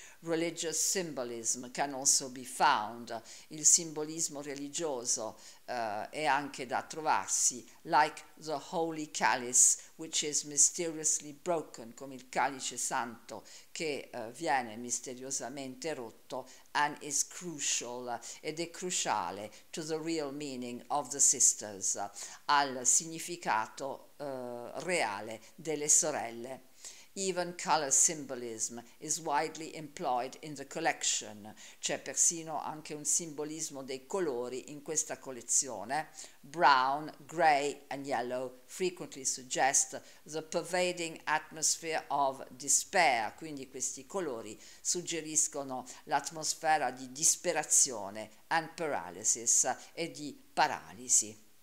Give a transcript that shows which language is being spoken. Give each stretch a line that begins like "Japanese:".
English: Religious symbolism can also be found.
Italian: Il simbolismo religioso è anche da trovarsi,
English: like the holy chalice, which is mysteriously broken,
Italian: come il calice santo che viene misteriosamente rotto,
English: and is crucial,
Italian: ed è cruciale,
English: to the real meaning of the sisters,
Italian: al significato reale delle sorelle.
English: Even color symbolism is widely employed in the collection.
Italian: C'è persino anche un simbolismo dei colori in questa collezione.
English: Brown, grey and yellow frequently suggest the pervading atmosphere of despair.
Italian: Quindi questi colori suggeriscono l'atmosfera di disperazione
English: and paralysis
Italian: e di paralisi.